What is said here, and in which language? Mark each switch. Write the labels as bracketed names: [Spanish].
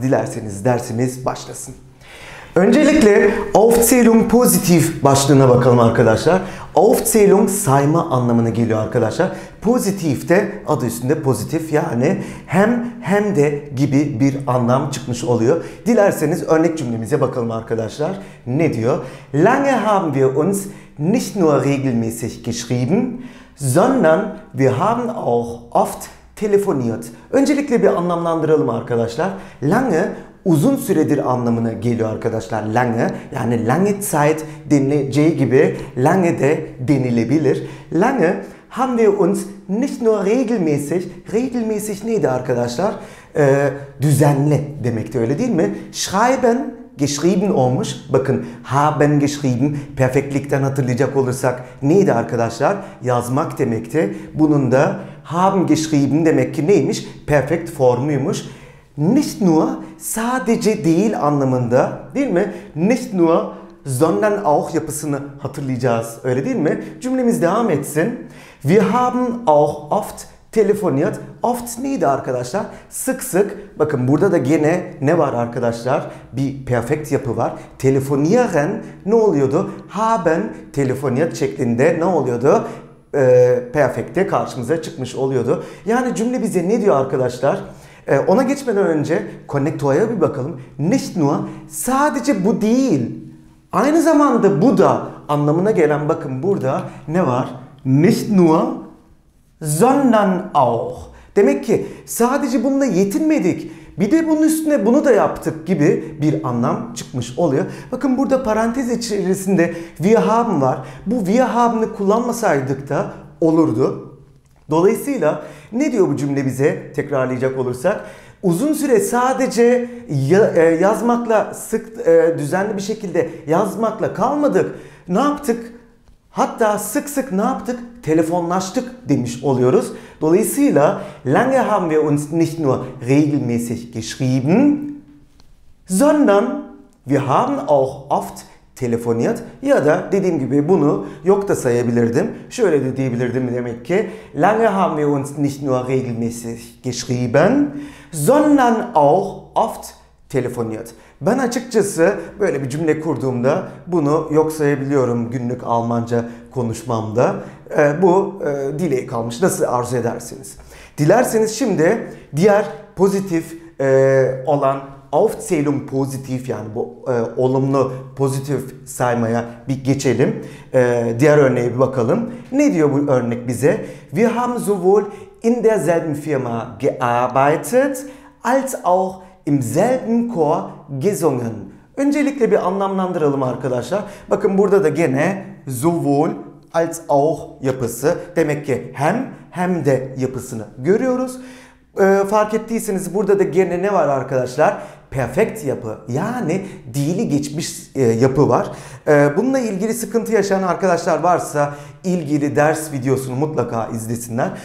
[Turkish] Dilerseniz dersimiz başlasın. Öncelikle Aufzählung pozitif başlığına bakalım arkadaşlar. Aufzählung sayma anlamına geliyor arkadaşlar. Pozitif de adı üstünde pozitif, yani hem de gibi bir anlam çıkmış oluyor. Dilerseniz örnek cümlemize bakalım arkadaşlar. Ne diyor? [German] Lange haben wir uns nicht nur regelmäßig geschrieben, sondern wir haben auch oft telefoniert. [Turkish] Öncelikle bir anlamlandıralım arkadaşlar. Lange uzun süredir anlamına geliyor arkadaşlar. Lange, yani [German] lange Zeit [Turkish] denileceği gibi lange de denilebilir. [German] Lange haben wir uns nicht nur regelmäßig, regelmäßig [Turkish] neydi arkadaşlar? Düzenli demekti, öyle değil mi? [German] Schreiben, geschrieben [Turkish] olmuş. Bakın, [German] haben geschrieben, [Turkish] perfektlikten hatırlayacak olursak neydi arkadaşlar? Yazmak demekti. Bunun da [German] haben geschrieben [Turkish] demek ki neymiş? Perfekt formuymuş. [German] Nicht nur, [Turkish] sadece değil anlamında, değil mi? [German] Nicht nur, sondern auch [Turkish] yapısını hatırlayacağız, öyle değil mi? Cümlemiz devam etsin. [German] Wir haben auch oft telefoniert. [Turkish] Oft neydi arkadaşlar? Sık sık. Bakın, burada da gene ne var arkadaşlar? Bir perfect yapı var. Telefonieren ne oluyordu? [German] Haben telefoniert [Turkish] şeklinde ne oluyordu? Perfect'te karşımıza çıkmış oluyordu. Yani cümle bize ne diyor arkadaşlar? Ona geçmeden önce Konnektoren'a bir bakalım. [German] Nicht nur, [Turkish] sadece bu değil. Aynı zamanda bu da anlamına gelen, bakın burada ne var? [German] Nicht nur, sondern auch. [Turkish] Demek ki sadece bununla yetinmedik, bir de bunun üstüne bunu da yaptık gibi bir anlam çıkmış oluyor. Bakın burada parantez içerisinde [German] wir haben [Turkish] var. Bu wir haben'ı kullanmasaydık da olurdu. Dolayısıyla ne diyor bu cümle bize, tekrarlayacak olursak? Uzun süre sadece yazmakla, sık düzenli bir şekilde yazmakla kalmadık. Ne yaptık? Hatta sık sık ne yaptık? Telefonlaştık demiş oluyoruz. Dolayısıyla [German] lange haben wir uns nicht nur regelmäßig geschrieben, sondern wir haben auch oft telefoniert. [Turkish] Ya da dediğim gibi bunu yok da sayabilirdim. Şöyle de diyebilirdim demek ki. [German] Lange haben wir uns nicht nur regelmäßig geschrieben, sondern auch oft telefoniert. [Turkish] Ben açıkçası böyle bir cümle kurduğumda bunu yok sayabiliyorum günlük Almanca konuşmamda. Bu dileği kalmış. Nasıl arzu edersiniz? Dilerseniz şimdi diğer pozitif olan Aufzählung pozitif, yani bu olumlu pozitif saymaya bir geçelim. Diğer örneğe bir bakalım. Ne diyor bu örnek bize? [German] Wir haben sowohl in derselben Firma gearbeitet als auch im selben Chor gesungen. [Turkish] Öncelikle bir anlamlandıralım arkadaşlar. Bakın burada da gene [German] sowohl als auch [Turkish] yapısı. Demek ki hem de yapısını görüyoruz. Fark ettiyseniz burada da gene ne var arkadaşlar? Perfekt yapı, yani dili geçmiş yapı var. Bununla ilgili sıkıntı yaşayan arkadaşlar varsa ilgili ders videosunu mutlaka izlesinler.